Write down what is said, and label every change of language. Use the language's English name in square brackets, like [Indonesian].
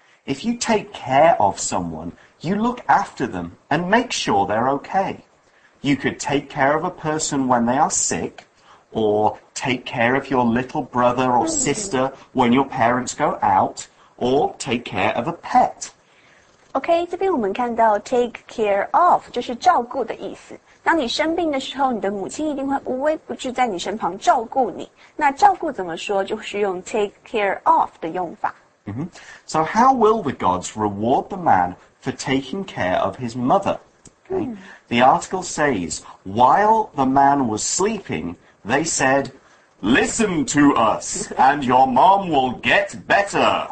[English] If you take care of someone, you look after them and make sure they're okay. You could take care of a person when they are sick, or take care of your little brother or sister when your parents go out, or take care of a pet. [Chinese] Okay, 这边我们看到 [English] take care of, [Chinese] 就是照顾的意思。当你生病的时候你的母亲一定会无微不至在你身旁照顾你。那照顾怎么说就是用 [English] take care of [Chinese] 的用法。 Mm-hmm. [English] So how will the gods reward the man for taking care of his mother? Okay. Mm. The article says, while the man was sleeping, they said, listen to us and your mom will get better.